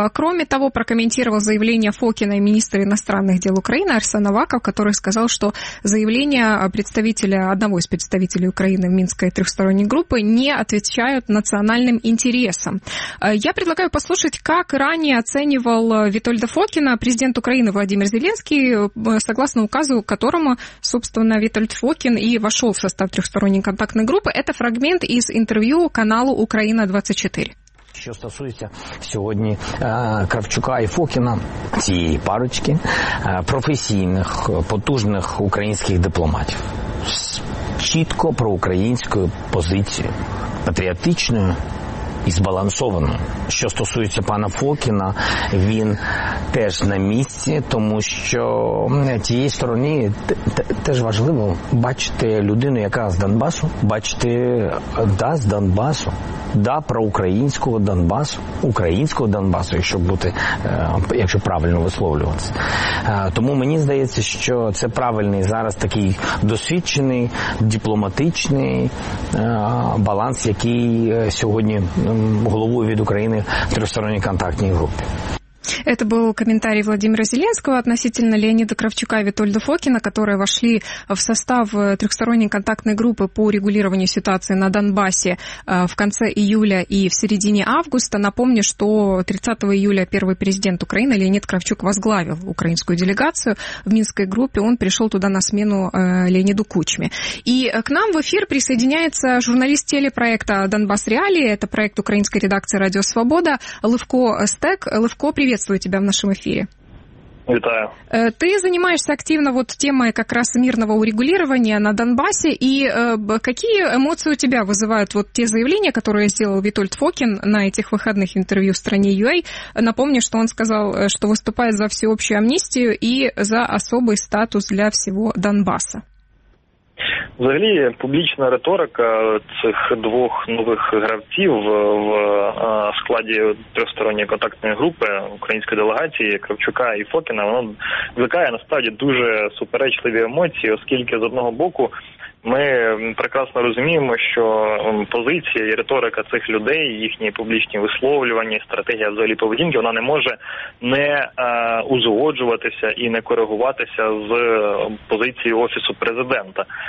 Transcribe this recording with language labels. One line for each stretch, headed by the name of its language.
Russian: Кроме того, прокомментировал заявление Фокина и министра иностранных дел Украины Арсен Аваков, который сказал, что заявления представителя одного из представителей Украины в Минской трехсторонней группе не отвечают национальным интересам. Я предлагаю послушать, как ранее оценивал Витольда Фокина президент Украины Владимир Зеленский, согласно указу которому, собственно, Витольд Фокин и вошел в состав трехсторонней контактной группы. Это фрагмент из интервью каналу «Украина-24».
Ukrainian: Що стосується сьогодні Кравчука і Фокіна, цієї парочки професійних, потужних українських дипломатів з чітко проукраїнською позицією, патріотичною і збалансовано. Що стосується пана Фокіна, він теж на місці, тому що тієї стороні теж важливо бачити людину, яка з Донбасу, бачити з Донбасу, проукраїнського Донбасу, українського Донбасу, якщо бути, якщо правильно висловлюватися. Тому мені здається, що це правильний зараз такий досвідчений, дипломатичний баланс, який сьогодні главой від України в трьохсторонній контактній групі.
Russian: Это был комментарий Владимира Зеленского относительно Леонида Кравчука и Витольда Фокина, которые вошли в состав трехсторонней контактной группы по регулированию ситуации на Донбассе в конце июля и в середине августа. Напомню, что 30 июля первый президент Украины Леонид Кравчук возглавил украинскую делегацию в Минской группе. Он пришел туда на смену Леониду Кучме. И к нам в эфир присоединяется журналист телепроекта «Донбасс Реалии». Это проект украинской редакции «Радио Свобода» Левко Стек. Левко, приветствую тебя в нашем эфире.
Ukrainian: Витаю.
Russian: Ты занимаешься активно вот темой как раз мирного урегулирования на Донбассе. И какие эмоции у тебя вызывают вот те заявления, которые сделал Витольд Фокин на этих выходных интервью в «Стране.ua»? Напомню, что он сказал, что выступает за всеобщую амнистию и за особый статус для всего Донбасса.
Ukrainian: Взагалі публічна риторика цих двох нових гравців в складі тристоронньої контактної групи української делегації Кравчука і Фокіна, воно викликає насправді дуже суперечливі емоції, оскільки з одного боку ми прекрасно розуміємо, що позиція і риторика цих людей, їхні публічні висловлювання, стратегія взагалі поведінки, вона не може не узгоджуватися і не коригуватися з позиції Офісу Президента.